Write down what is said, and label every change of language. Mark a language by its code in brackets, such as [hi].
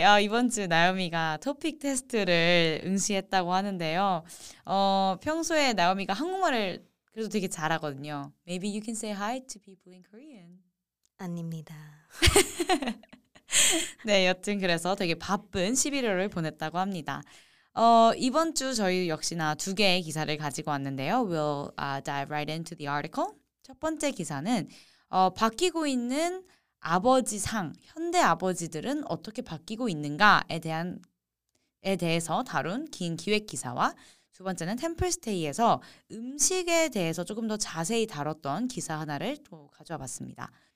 [ko] 아, 이번 주 나오미가 토픽 테스트를 응시했다고 하는데요. 평소에 나오미가 한국말을 그래도 되게 잘하거든요. [en] Maybe you can say hi to people in Korean. [ko] 아닙니다. 네, 여튼 그래서 되게 바쁜 11월을 보냈다고 합니다. 이번 주 저희 역시나 두 개의 기사를 가지고 왔는데요. [en] We'll dive right into the article. [ko] 첫 번째 기사는 바뀌고 있는 아버지상, 현대 아버지들은 어떻게 바뀌고 있는가에 대해서 다룬 긴 기획 기사와 두 번째는 템플스테이에서 음식에 대해서 조금 더 자세히 다뤘던 기사 하나를 또 가져와 봤습니다.